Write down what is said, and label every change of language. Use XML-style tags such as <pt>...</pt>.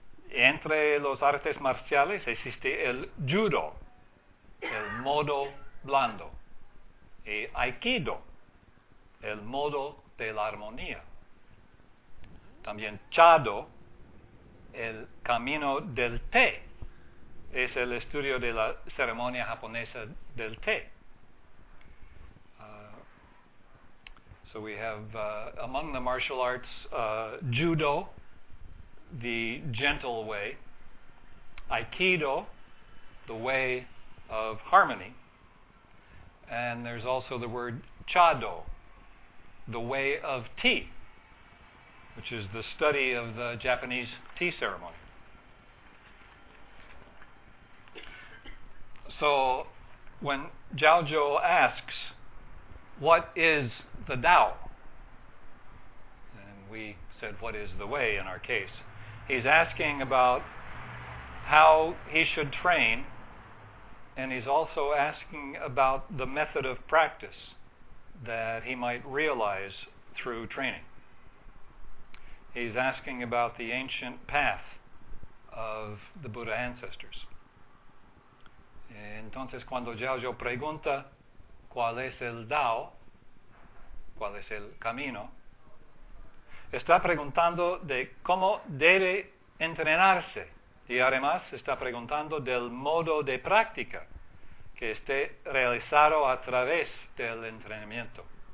<es>Entre los artes marciales existe el judo, el modo blando, y aikido, el modo de la armonía. También chado, el camino del té, es el estudio de la ceremonia japonesa del té.</es> <en>So we have among the martial arts, judo, the gentle way, aikido, the way of harmony, and there's also the word chado, the way of tea, which is the study of the Japanese tea ceremony. So when Zhaozhou asks, what is the Tao? And we said, what is the way in our case? He's asking about how he should train, and he's also asking about the method of practice that he might realize through training. He's asking about the ancient path of the Buddha ancestors.</en> <es>Entonces, cuando Zhaozhou pregunta, ¿cuál es el Tao? ¿Cuál es el camino? Está preguntando de cómo debe entrenarse. Y además está preguntando del modo de práctica que esté realizado a través del entrenamiento.</es>